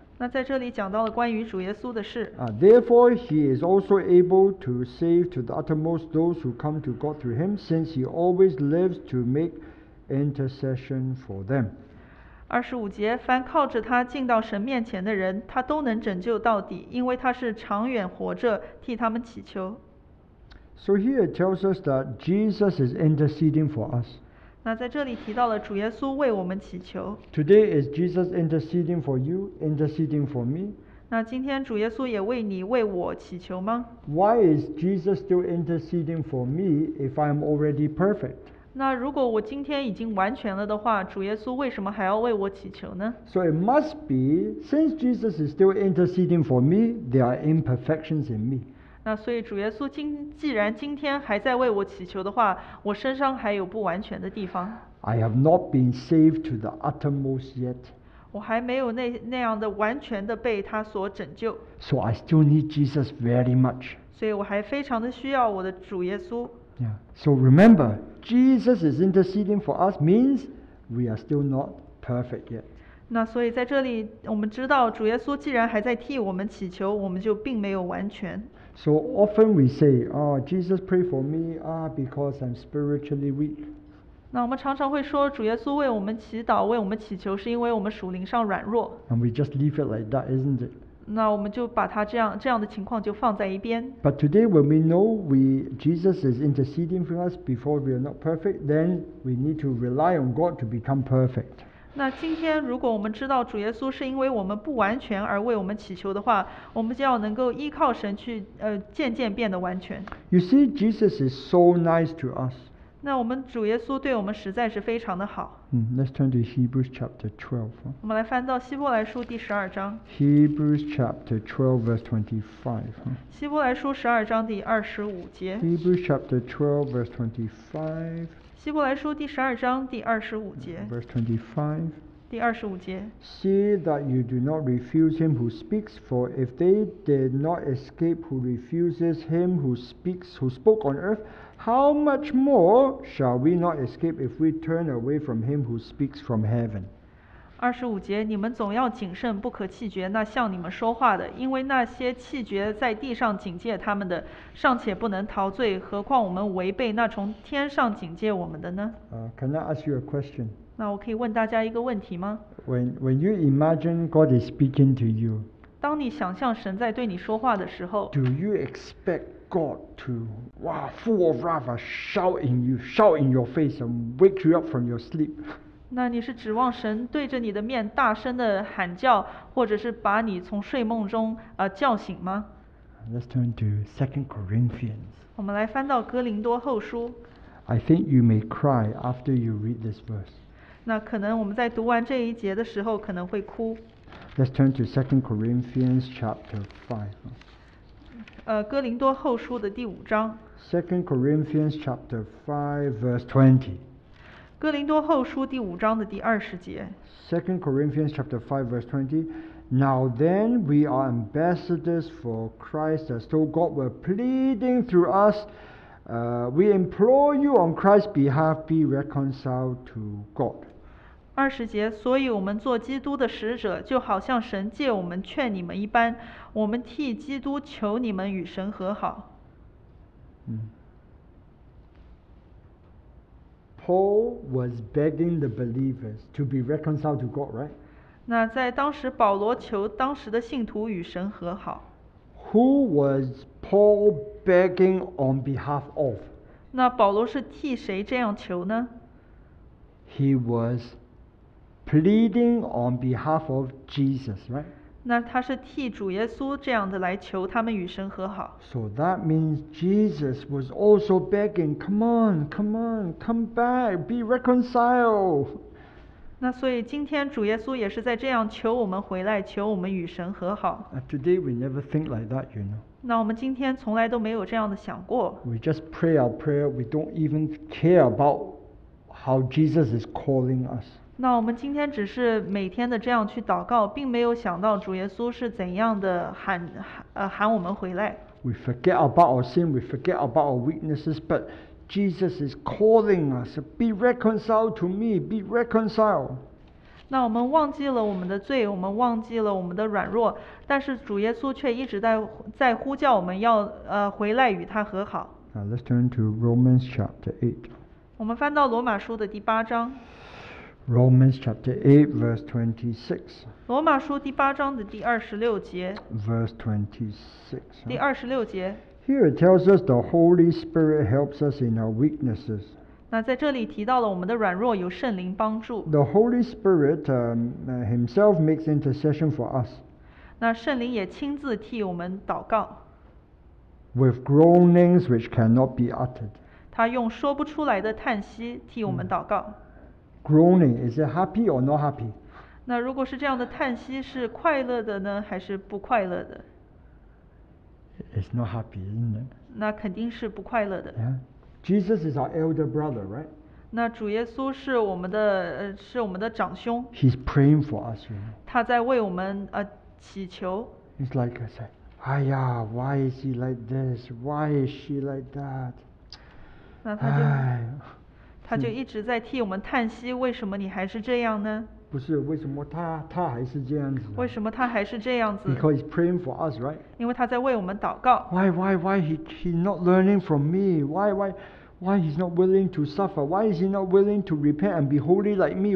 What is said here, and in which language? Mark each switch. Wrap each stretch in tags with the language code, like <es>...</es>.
<zh>那在这里讲到了关于主耶稣的事。</zh> <en>Therefore he is also able to save to the uttermost those who come to God through him, since he always lives to make intercession for them.</en> <zh>二十五节，凡靠着他进到神面前的人，他都能拯救到底，因为他是长远活着替他们祈求。</zh> <en>So here it tells us that Jesus is interceding for us.</en> <zh>那在这里提到了主耶稣为我们祈求。</zh> <en>Today is Jesus interceding for you, interceding for me.</en> <zh>那今天主耶稣也为你为我祈求吗？</zh> <en>Why is Jesus still interceding for me if I'm already perfect?</en> <zh>那如果我今天已经完全了的话，主耶稣为什么还要为我祈求呢？</zh> <en>So it must be, since Jesus is still interceding for me, there are imperfections in me.</en> <zh>那所以主耶稣既然今天还在为我祈求的话，我身上还有不完全的地方。</zh> <en>I have not been saved to the uttermost yet.</en> <zh>我还没有 那样的完全的被他所拯救。</zh> <en>So I still need Jesus very much.</en> <zh>所以我还非常的需要我的主耶稣。</zh> <en>Yeah. So remember, Jesus is interceding for us means we are still not perfect yet.</en> <zh>那所以在这里我们知道主耶稣既然还在替我们祈求，我们就并没有完全。</zh> <en>So often we say, oh, Jesus pray for me, because I'm spiritually weak.</en> <zh>那我们常常会说主耶稣为我们祈祷，为我们祈求，是因为我们属灵上软弱。</zh> <en>And we just leave it like that, isn't it?</en> <zh>那我们就把它这样的情况就放在一边。</zh> <en>But today when we know Jesus is interceding for us before we are not perfect, then we need to rely on God to become perfect.</en> <zh>那今天如果我们知道主耶稣是因为我们不完全而为我们祈求的话，我们就要能够依靠神去渐渐变得完全。</zh> <en>You see, Jesus is so nice to us.</en> <zh>那我们主耶稣对我们实在是非常的好。</zh> <en>Let's turn to Hebrews chapter 12.</en> <zh>我们来翻到希伯来书第十二章。</zh> <en>Hebrews chapter 12 verse 25.</en> <zh>希伯来书十二章第二十五节。</zh> <en>Hebrews chapter 12 verse 25.</en> <zh>希伯来书第十二章第二十五节。</zh> <en>Verse 25.</en> <zh>第二十五节。</zh> <en>See that you do not refuse him who speaks, for if they did not escape who refuses him who spoke on earth, how much more shall we not escape if we turn away from him who speaks from heaven?</en> <zh>二十五节，你们总要谨慎，不可弃绝那向你们说话的，因为那些弃绝在地上警戒他们的，尚且不能陶醉，何况我们违背那从天上警戒我们的呢？</zh> <en>Can I ask you a question?</en> <zh>那我可以问大家一个问题吗？</zh> <en>When you imagine God is speaking to you,</en> <zh>当你想象神在对你说话的时候，</zh> <en>Do you expect God to, full of wrath, shout in your face and wake you up from your sleep?</en> <zh>那你是指望神对着你的面大声的喊叫，或者是把你从睡梦中叫醒吗？</zh> <en>Let's turn to 2 Corinthians.</en> <zh>我们来翻到哥林多后书。</zh> <en>I think you may cry after you read this verse.</en> <zh>那可能我们在读完这一节的时候可能会哭。</zh> <en>Let's turn to 2 Corinthians chapter 5.</en> <zh>哥林多后书的第五章。</zh> <en>2 Corinthians chapter 5 verse 20.</en> <zh>哥林多后书第五章的第二十节。</zh> <en>2 Corinthians chapter 5 verse 20. Now then we are ambassadors for Christ as though God were pleading through us. We implore you on Christ's behalf be reconciled to God.</en> <zh>二十节，所以我们做基督的使者，就好像神借我们劝你们一般，我们替基督求你们与神和好。</zh> <en>Paul was begging the believers to be reconciled to God, right?</en> <zh>那在当时保罗求当时的信徒与神和好。</zh> <en>Who was Paul begging on behalf of?</en> <zh>那保罗是替谁这样求呢？</zh> <en>He was pleading on behalf of Jesus, right?</en> <zh>那他是替主耶稣这样的来求他们与神和好。</zh> <en>So that means Jesus was also begging, come on, come on, come back, be reconciled.</en> <zh>那所以今天主耶稣也是在这样求我们回来，求我们与神和好。</zh> <en>Today we never think like that, you know.</en> <zh>那我们今天从来都没有这样的想过。</zh> <en>We just pray our prayer, we don't even care about how Jesus is calling us.</en> <zh>那我们今天只是每天的这样去祷告，并没有想到主耶稣是怎样的 喊我们回来。</zh> <en>We forget about our sin, we forget about our weaknesses, but Jesus is calling us, be reconciled to me, be reconciled.</en> <zh>那我们忘记了我们的罪，我们忘记了我们的软弱，但是主耶稣却一直 在呼叫我们要回来与他和好。</zh> <en>Now let's turn to Romans chapter 8.</en> <zh>我们翻到罗马书的第八章。</zh> <en>Romans chapter 8 verse 26.</en> <zh>罗马书第八章的第二十六节。</zh> <en>Verse 26.</en> <zh>第二十六节。</zh> <en>Here it tells us the Holy Spirit helps us in our weaknesses.</en> <zh>那在这里提到了我们的软弱有圣灵帮助。</zh> <en>The Holy Spirit himself makes intercession for us.</en> <zh>那圣灵也亲自替我们祷告。</zh> <en>With groanings which cannot be uttered.</en> <zh>他用说不出来的叹息替我们祷告。</zh> <en>Groaning, is it happy or not happy?</en> <zh>那如果是这样的叹息是快乐的呢还是不快乐的？</zh> <en>It's not happy, isn't it?</en> <zh>那肯定是不快乐的。</zh> <en>Yeah. Jesus is our elder brother, right?</en> <zh>那主耶稣是我们的是我们的长兄。</zh> <en>He's praying for us, you know.</en> <zh>他在为我们祈求。</zh> <en>It's like I said, Aiya, why is he like this? Why is she like that?</en> <zh>那他就他就一直在替我们叹息，为什么你还是这样呢？不是为什么他还是这样子？为什么他还是这样子</zh> <en>？Because he's praying for us, right?</en> <zh>因为他在为我们祷告。</zh> <en>Why he not learning from me? Why he's not willing to suffer? Why is he not willing to repent and be holy like me?</en>